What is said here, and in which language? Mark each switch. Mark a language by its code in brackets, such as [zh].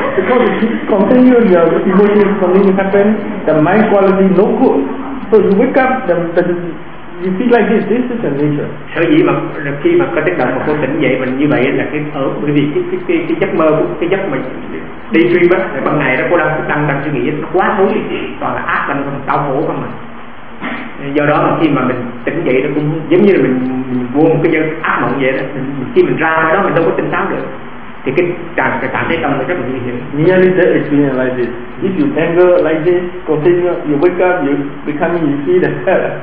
[en] continue your emotion something happen, the mind quality no good. So you wake up, you feel like this. This is the nature. [vi] Sở dĩ mà khi mà có tích động mà cô tỉnh dậy mình như vậy là cái ở bởi vì cái giấc mơ, cái giấc mình đi dream á, ban ngày đó cô đang suy nghĩ nó quá tối, toàn là ác lên không đau khổ không mà. Do đó mà khi mà mình tỉnh dậy nó cũng giống như là mình buông cái giấc ác mộng vậy đó. Mình, khi mình ra ngoài đó mình đâu có tỉnh táo được. Thì cái trạng thái tâm nó rất là nguy hiểm. [en] Nearly that experience like this. If you anger like this, continue, you wake up, you become, you see that.